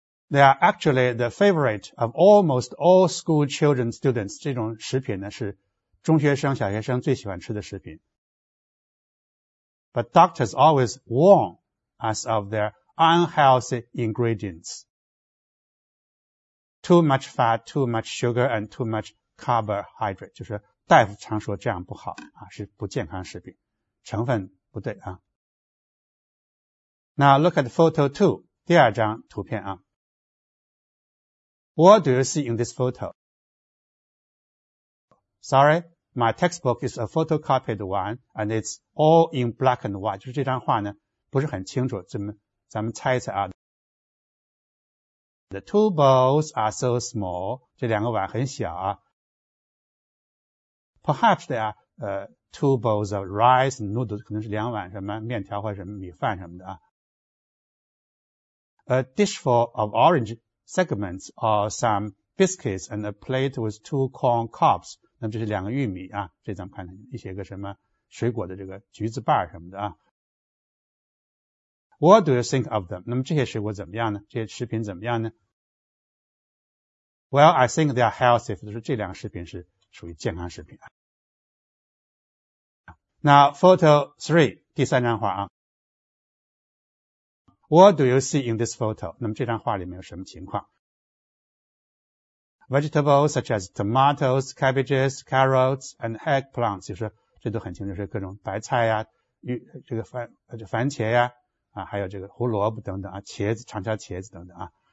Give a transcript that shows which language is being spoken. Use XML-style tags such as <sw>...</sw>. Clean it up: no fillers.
<en>They are actually the favorite of almost all school children students.</en> <zh>这种食品呢是中学生、小学生最喜欢吃的食品。</zh> <en>But doctors always warn us of their unhealthy ingredients. Too much fat, too much sugar, and too much carbohydrate.</en> <zh>就是大夫常说这样不好啊，是不健康食品，成分不对啊。</zh> <en>Now look at photo two,</en> <zh>第二张图片啊。</zh> <en>What do you see in this photo? Sorry, my textbook is a photocopied one, and it's all in black and white.</en> <zh>就是这张画呢，不是很清楚，咱们猜一猜啊。</zh> <en>The two bowls are so small.</en> <zh>这两个碗很小啊。</zh> <en>Perhaps they are two bowls of rice and noodles.</en> <zh>可能是两碗什么面条或者什么米饭什么的啊。</zh> <en>A dishful of orange segments or some biscuits and a plate with two corn cobs.</en> <zh>那么这是两个玉米啊。这咱们看看一些个什么水果的这个橘子瓣什么的啊。</zh> <en>What do you think of them?</en> <zh>那么这些水果怎么样呢？这些食品怎么样呢？</zh> <en>Well, I think they are healthy.</en> <zh>就是这两个食品是属于健康食品。</zh> <en>Now, photo three,</en> <zh>第三张画啊。</zh> <en>What do you see in this photo?</en> <zh>那么这张画里面有什么情况？</zh> <en>Vegetables such as tomatoes, cabbages, carrots, and eggplants.</en> <zh>就是这都很清楚，是各种白菜呀、这个番茄呀。啊，还有这个胡萝卜等等啊，茄子，长条茄子等等啊。</zh>